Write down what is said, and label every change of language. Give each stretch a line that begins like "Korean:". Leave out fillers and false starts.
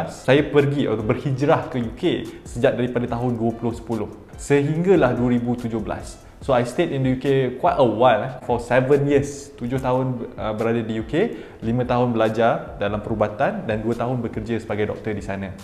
Malay: Saya pergi atau berhijrah ke UK sejak daripada tahun 2010 sehinggalah 2017.
English: So I stayed in the UK quite a while, for 7 years.
Malay: 7 tahun berada di UK, 5 tahun belajar dalam perubatan dan 2 tahun bekerja sebagai doktor di sana.